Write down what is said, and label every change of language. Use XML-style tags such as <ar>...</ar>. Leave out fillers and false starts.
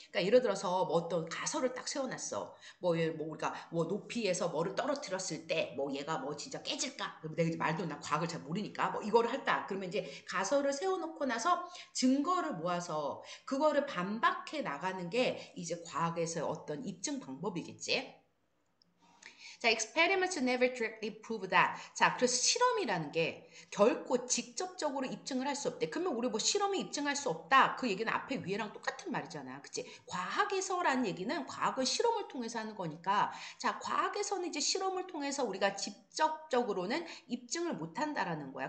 <ko>그러니까 예를 들어서 뭐 어떤 가설을 딱 세워놨어. 뭐 높이에서 뭐를 떨어뜨렸을 때, 뭐 얘가 뭐 진짜 깨질까? 그럼 내가 이제 말도 나 과학을 잘 모르니까 뭐 이거를 했다. 그러면 이제 가설을 세워놓고 나서 증거를 모아서 그거를 반박해 나가는 게 이제 과학에서의 어떤 입증 방법이겠지?</ko> <en>자, experiments never directly prove that.</en> <ko>자, 그래서 실험이라는 게 결코 직접적으로 입증을 할수 없대. 그러면 우리 뭐 실험이 입증할 수 없다. 그 얘기는 앞에 위에랑 똑같은 말이잖아. 그치? 과학에서라는 얘기는 과학은 실험을 통해서 하는 거니까. 자, 과학에서는 이제 실험을 통해서 우리가 직접적으로는 입증을 못 한다라는 거야.</ko>